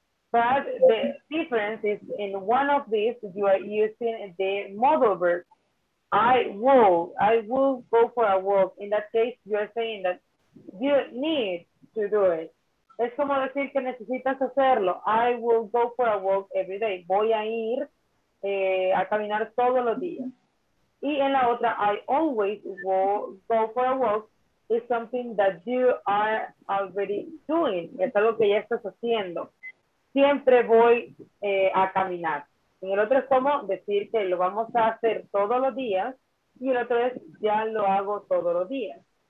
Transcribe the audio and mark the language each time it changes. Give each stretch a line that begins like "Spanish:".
English: But the difference is in one of these, you are using the modal verb. I will go for a walk. In that case, you are saying that you need to do it.
Spanish: Es como decir que necesitas hacerlo.
English: I will go for a walk every day.
Spanish: Voy a ir a caminar todos los días. Y en la otra,
English: I always will go for a walk is something that you are already doing.
Spanish: Es algo que ya estás haciendo. Siempre voy a caminar. En el otro es como decir que lo vamos a hacer todos los días y el otro es ya lo hago todos los días.